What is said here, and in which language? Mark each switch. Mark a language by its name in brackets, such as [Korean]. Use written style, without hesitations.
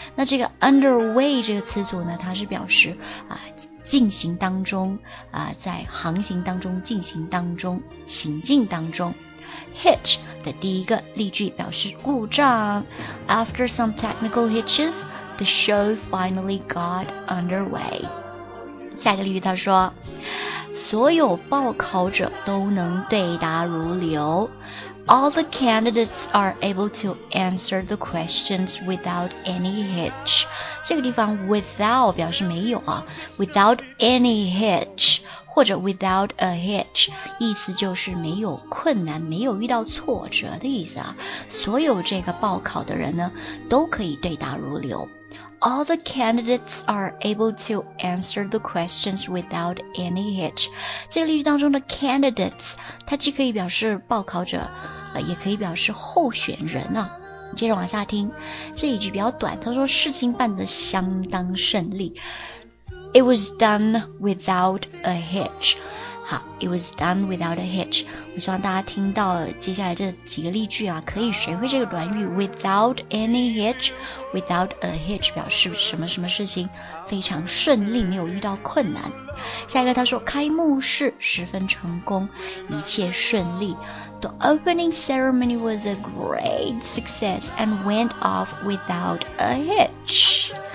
[Chinese] 那这个 underway 这个词组呢，它是表示啊、进行当中啊、在航行当中、进行当中、行进当中。 Hitch 的第一个例句表示故障。 [English] After some technical hitches, the show finally got underway. [Chinese] 下一个例句他说，所有报考者都能对答如流。 [English] All the candidates are able to answer the questions without any hitch. [Chinese] 这个地方 without 表示没有啊， [English] without any hitch [Chinese] 或者 [English] without a hitch， [Chinese] 意思就是没有困难，没有遇到挫折的意思啊。所有这个报考的人呢，都可以对答如流。 [English] All the candidates are able to answer the questions without any hitch. [Chinese] 这个例句当中的 candidates， 它既可以表示报考者、也可以表示候选人啊。接着往下听，这一句比较短，他说事情办得相当顺利。 [English] It was done without a hitch. 好 ,it was done without a hitch. [Chinese] 我希望大家听到接下来这几个例句啊，可以学会这个短语 [English] without any hitch。 Without a hitch [Chinese] 表示什么什么事情非常顺利，没有遇到困难。下一个他说开幕式十分成功，一切顺利。 [English] The opening ceremony was a great success and went off without a hitch.